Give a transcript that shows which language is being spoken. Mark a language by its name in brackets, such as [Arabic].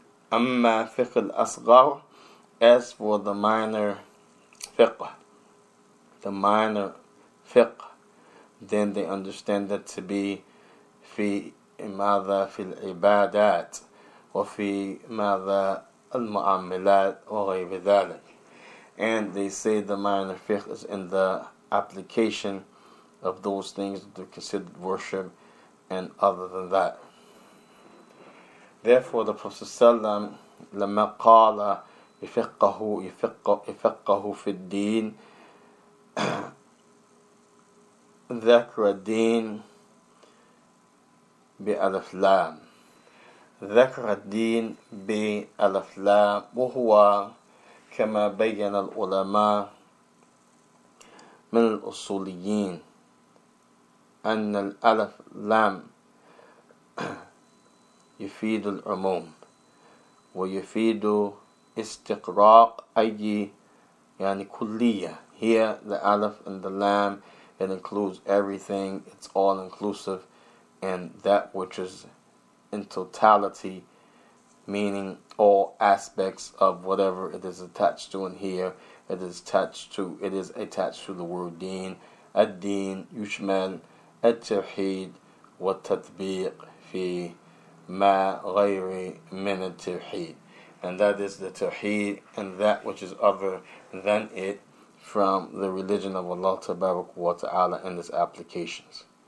[Arabic] Amma fiqh al-asghar, [English] as for the minor fiqh, the minor fiqh, then they understand that to be fi [Arabic] ماذا في العبادات وفي ماذا المعاملات وغير ذلك, [English] and they say the minor fiqh is in the application of those things that are considered worship and other than that. Therefore, the Prophet ﷺ, لما قال يفقهوا في الدين [Arabic] ذكر الدين بألف لام, ذكر الدين بألف لام, وهو كما بين العلماء من الأصوليين أن الألف لام يفيد العموم ويفيد استقراق أي يعني كلية. [English] Here the Aleph and the Lam, it includes everything, it's all inclusive, and that which is in totality, meaning all aspects of whatever it is attached to in here, It is attached to the word deen, ad-deen, [Arabic] yushmal at-tawheed wa tatbiq fi ma ghayri min at-tawheed, [English] and that is the tawheed and that which is other than it from the religion of Allah tabarak wa ta'ala and its applications.